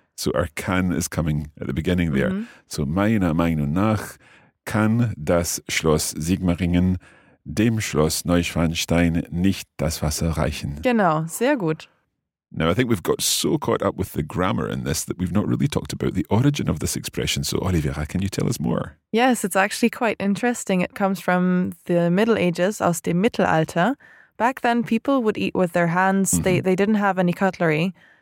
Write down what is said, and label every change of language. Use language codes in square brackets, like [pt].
[en] So our can is coming at the beginning there. Mm-hmm. [de] So meiner Meinung nach kann das Schloss Sigmaringen dem Schloss Neuschwanstein nicht das Wasser reichen. Genau, sehr gut. [en] Now I think we've got so caught up with the grammar in this that we've not really talked about the origin of this expression. So Olivera, can you tell us more? Yes, it's actually quite interesting. It comes from the Middle Ages, [de] aus dem Mittelalter. [en] Back then, people would eat with their hands. Mm-hmm. They didn't have any cutlery.